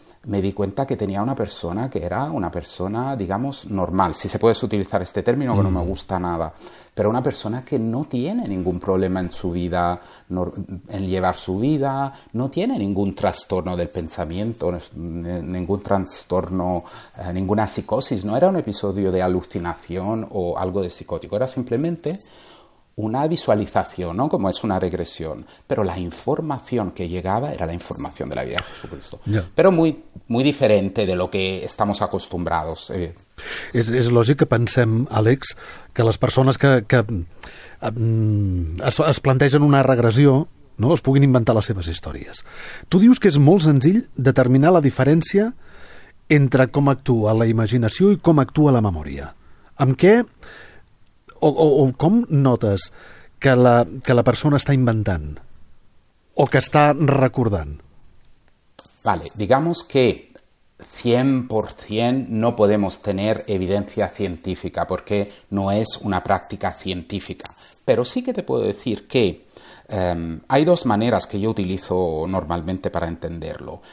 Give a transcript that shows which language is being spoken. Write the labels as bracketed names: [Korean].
[Spanish] me di cuenta que tenía una persona que era una persona, digamos, normal, si se puede utilizar este término que no me gusta nada, pero una persona que no tiene ningún problema en su vida, no, en llevar su vida, no tiene ningún trastorno del pensamiento, no, ningún trastorno, ninguna psicosis, no era un episodio de alucinación o algo de psicótico, era simplemente una visualización, ¿no? Como es una regresión, pero la información que llegaba era la información de la vida de Jesucristo, pero muy, muy diferente de lo que estamos acostumbrados. [Catalan] És lògic que pensem, Àlex, que les persones que es plantegen una regressió, no, es puguin inventar les seves històries. Tu dius que és molt senzill determinar la diferència entre com actua la imaginació i com actua la memòria. Amb què o com notes que la persona està inventant o que està recordant? [Spanish] Vale, digamos que 100% no podemos tener evidencia científica porque no es una práctica científica. Pero sí que te puedo decir que hay dos maneras que yo utilizo normalmente para entenderlo.